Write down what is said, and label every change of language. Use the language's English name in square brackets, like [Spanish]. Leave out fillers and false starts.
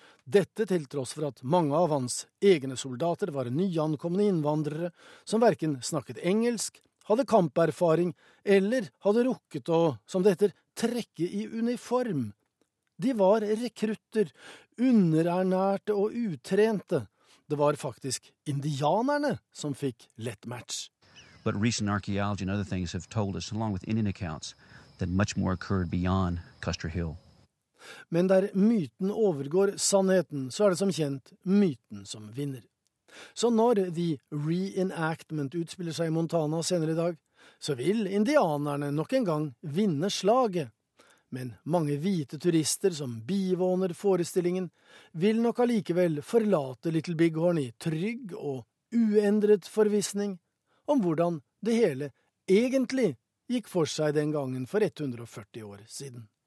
[Norwegian] Dette til tross for at mange av hans egne soldater var nyankomne innvandrere som hverken snakket engelsk, hadde kamperfaring eller hadde rukket å, som det heter, trekke i uniform. De var rekrutter, underernærte og utrente. Det var faktisk indianerne som fikk lett match. [English] But recent archaeology and other things have told us, along with Indian accounts, that much more occurred beyond Custer Hill. [Norwegian] Men der myten overgår sannheten, så er det som kjent myten som vinner. Så når The Reenactment utspiller seg i Montana senere i dag, så vil indianerne nok en gang vinne slaget. Men mange hvite turister som bivåner forestillingen vil nok allikevel forlate Little Bighorn i trygg og uendret forvissning om hvordan det hele egentlig gikk for seg den gangen for 140 år siden.